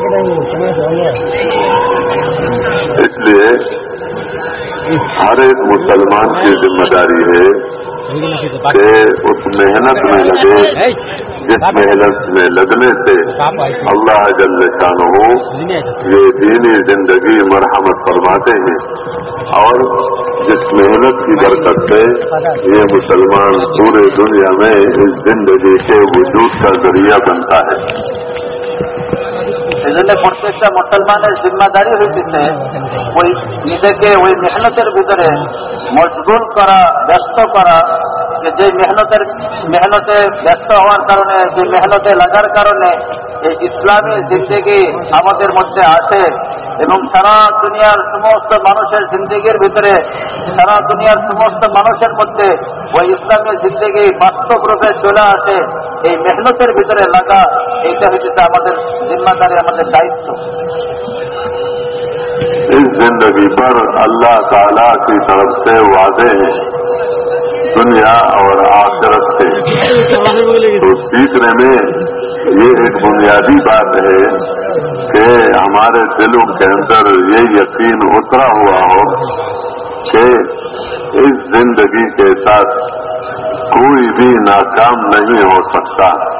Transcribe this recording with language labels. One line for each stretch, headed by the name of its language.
Urdu: اس لیے ہر ایک مسلمان کی ذمہ داری ہے کہ اس محنت میں لگے جس محنت میں لگنے سے اللہ جل شانہ یہ دینی زندگی مرحمت فرماتے ہیں, اور جس محنت کی برکت سے یہ مسلمان پورے دنیا میں اس زندگی کے وجود کا ذریعہ بنتا ہے.
Bangla: প্রত্যেকটা মুসলমানের জিম্মাদারি হয়েছে ওই নিজেকে ওই মেহনতের ভিতরে মজবুত করা ব্যস্ত করা, যে মেহনতের মেহনতে ব্যস্ত হওয়ার কারণে যে মেহনতে লাগার কারণে এই ইসলামের জিন্দগি আমাদের মধ্যে আসে এবং সারা দুনিয়ার সমস্ত মানুষের জিন্দগির ভিতরে সারা দুনিয়ার সমস্ত মানুষের মধ্যে ওই ইসলামের জিন্দগি বাস্তব রূপে চলে আসে এই মেহনতের ভিতরে লাগা, এইটা হচ্ছে আমাদের জিম্মাদারি আমাদের দায়িত্ব.
Urdu: اس زندگی پر اللہ تعالیٰ کی طرف سے وعدے ہیں دنیا اور آخرت سے, تو سیکھنے میں یہ ایک بنیادی بات ہے کہ ہمارے دلوں کے اندر یہ یقین اترا ہوا ہو کہ اس زندگی کے ساتھ کوئی بھی ناکام نہیں ہو سکتا,